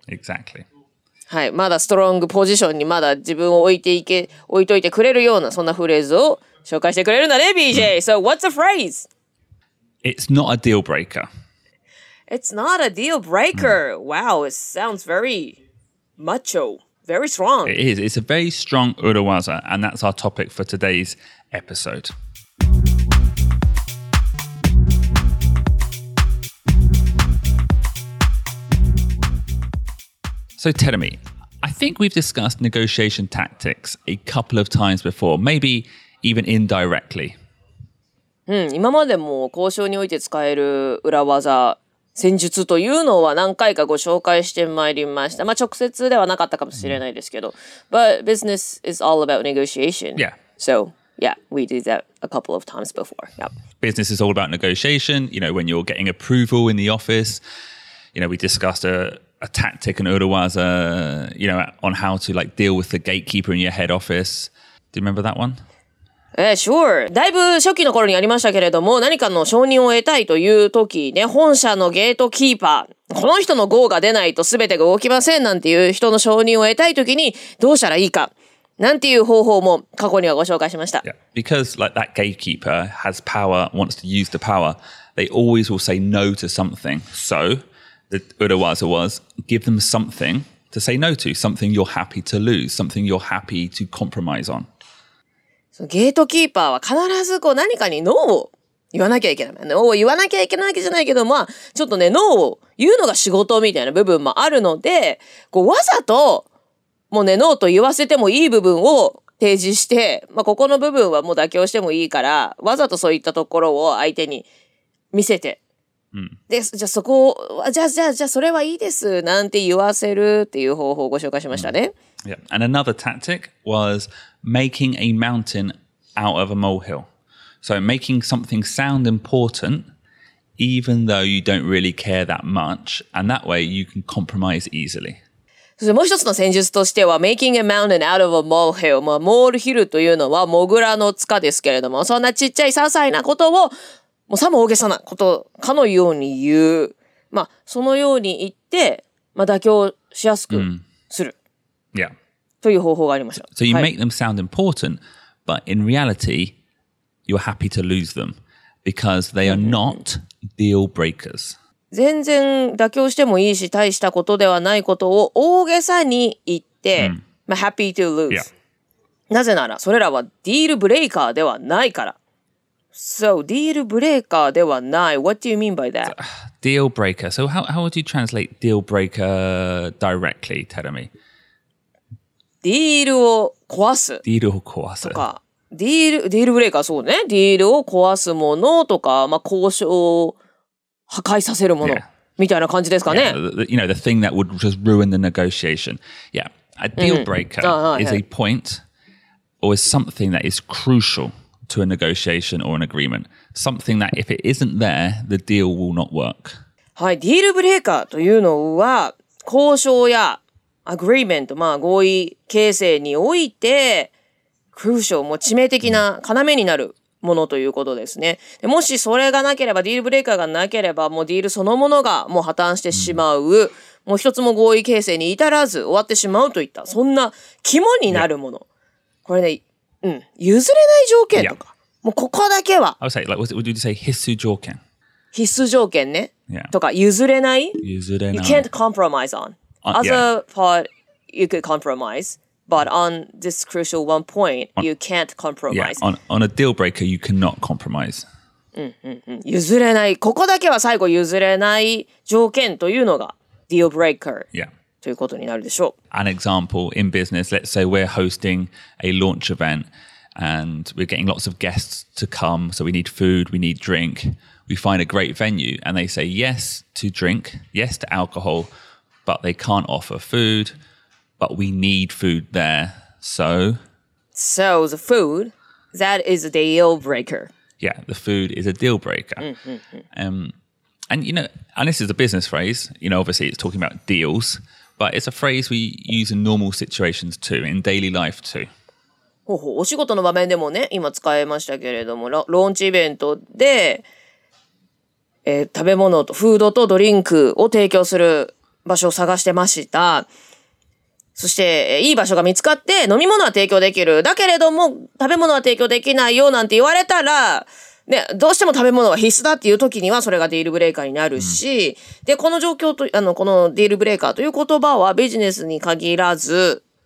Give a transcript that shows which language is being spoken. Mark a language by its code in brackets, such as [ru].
[en] exactly. [ja] はい、まだストロングポジションにまだ自分を置いといてくれるようなそんなフレーズを紹介してくれるんだね BJ。 [en] So what's the phrase? It's not a deal breaker. It's not a deal breaker. Wow, it sounds very macho, very strong. It is. It's a very strong urawaza, and that's our topic for today's episode. So, Terumi, I think we've discussed negotiation tactics a couple of times before, maybe even indirectly. [ja] うん、今までも交渉において使える裏技、戦術というのは何回かご紹介してまいりました。まあ、直接ではなかったかもしれないですけど。 [en] But business is all about negotiation. Yeah. So, yeah, we did that a couple of times before. Yep. Business is all about negotiation. You know, when you're getting approval in the office, you know, we discussed a tactic in Urawaza, you know, on how to like deal with the gatekeeper in your head office. Do you remember that one? Sure. [ja] だいぶ初期の頃にありましたけれども、何かの承認を得たいという時、ね、本社のゲートキーパー、この人の GO が出ないと全てが動きませんなんていう人の承認を得たい時にどうしたらいいか、なんていう方法も過去にはご紹介しました。 [en] Yeah. Because like that gatekeeper has power, wants to use the power, they always will say no to something. So, the urawaza was, give them something to say no to, something you're happy to lose, something you're happy to compromise on. [ja] ゲートキーパーは必ずこう何かにノーを言わなきゃいけない。ノーを言わなきゃいけないわけじゃないけど、まあ、ちょっとね、ノーを言うのが仕事みたいな部分もあるので、こうわざと、もうね、ノーと言わせてもいい部分を提示して、まあ、ここの部分はもう妥協してもいいから、わざとそういったところを相手に見せて。で、じゃあそこを、じゃあそれはいいです、なんて言わせるっていう方法をご紹介しましたね。 [en] Yeah. And another tactic was making a mountain out of a molehill. So making something sound important, even though you don't really care that much, and that way you can compromise easily. [ja] そしてもう一つの戦術としては、 [en] making a mountain out of a molehill. [ja] まあ、モールヒルというのはモグラの塚ですけれども、そんなちっちゃい些細なことを、もうさも大げさなことかのように言う。まあ、そのように言って、まあ、妥協しやすくする。 [en] Yeah. [ja] という方法がありました。 [en] So you make them sound important, but in reality, you're happy to lose them because they are not deal breakers. [ja] 全然妥協してもいいし、大したことではないことを大げさに言って、まあ、 [en] happy to lose.、 Yeah. [ja] なぜなら、それらはディールブレイカーではないから。 [en] So, deal breaker [ja] ではない。 [en] What do you mean by that? Deal breaker. So, how would you translate deal breaker directly, Terumi? [ja] Deal を壊す。 Deal を壊す。とか、deal breaker、そうね。 Deal を壊すものとか、まあ、交渉を破壊させるもの、 [en] yeah. [ja] みたいな感じですかね。 [en] Yeah. You know, the thing that would just ruin the negotiation. Yeah. A deal breaker、is a point or is something that is crucial. To a negotiation or an agreement. Something that if it isn't there, the deal will not work. [ja] はい、ディールブレーカーというのは、交渉やアグリーメント、まあ合意形成において、クーション、もう致命的な要になるものということですね。で、もしそれがなければ、ディールブレーカーがなければ、もうディールそのものがもう破綻してしまう、mm. もう一つも合意形成に至らず終わってしまうといった、そんな肝になるもの。 Yeah. これね、うん、譲れない条件とか、yeah. もうここだけは。 [en] I would say, like, what did you say? [ja] 必須条件。必須条件ね。 [en] Yeah. [ja] とか譲れない。譲れない。 [en] You can't compromise on. Other、 yeah. part, you could compromise, but on this crucial one point, you can't compromise. Yeah. On a deal breaker, you cannot compromise. [ja] うんうんうん、譲れない。ここだけは最後譲れない条件というのが deal breaker。 [en] Yeah. [ja] ということになるでしょう。 [en] An example in business, let's say we're hosting a launch event and we're getting lots of guests to come, so we need food, we need drink. We find a great venue and they say yes to drink, yes to alcohol, but they can't offer food, but we need food there, so... So the food, that is a deal breaker. Yeah, the food is a deal breaker. And you know, and this is a business phrase, you know, obviously it's talking about deals,But it's a phrase we use in normal situations too, in daily life too. [ja] ほうほう、お仕事の場面でもね、今使いましたけれども、ローンチイベントで、食べ物と、フードとドリンクを提供する場所を探してました。そして、いい場所が見つかって、飲み物は提供できる。だけれども、食べ物は提供できないよなんて言われたら、ね、どうしても食べ物は必須だっていう時にはそれがディールブレーカーになるし、で、この状況と、このディールブレーカーという言葉はビジネスに限らず、